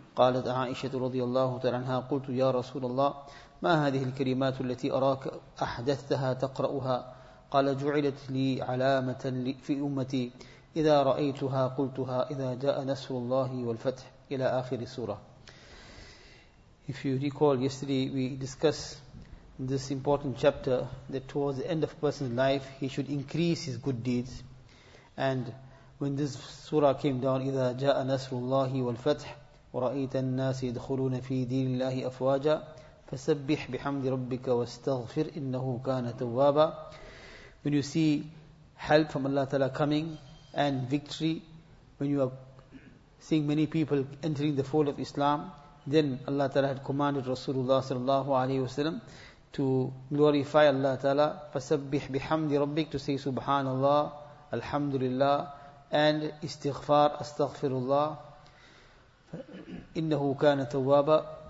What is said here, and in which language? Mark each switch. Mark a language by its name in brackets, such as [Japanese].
[Arabic] قالت عائشة رضي الله تعالى عنها: قلت يا رسول الله، ما هذه الكلمات التي أراك أحدثتها تقرأها؟ قال: جعلت لي علامة في أمتي، إذا رأيتها قلتها، إذا جاء نصر الله والفتح، إلى آخر سورة. [English] If you recall, yesterday we discussed this important chapter, that towards the end of a person's life, he should increase his good deeds. And when this surah came down, [Arabic] إذا جاء نصر الله والفتح ورأيت الناس يدخلون في دين الله أفواجا فسبح بحمد ربك واستغفر إنه كان توابا. [English] When you see help from Allah Ta'ala coming, and victory, when you are seeing many people entering the fold of Islam, then Allah Ta'ala had commanded Rasulullah sallallahu alayhi wa sallam to glorify Allah Ta'ala, [Arabic] فَسَبِّحْ بِحَمْدِ رَبِّكَ, [English] to say Subhanallah, Alhamdulillah, and استغفار, استغفرullah, [Arabic] إِنَّهُ كَانَ تَوَّابًا.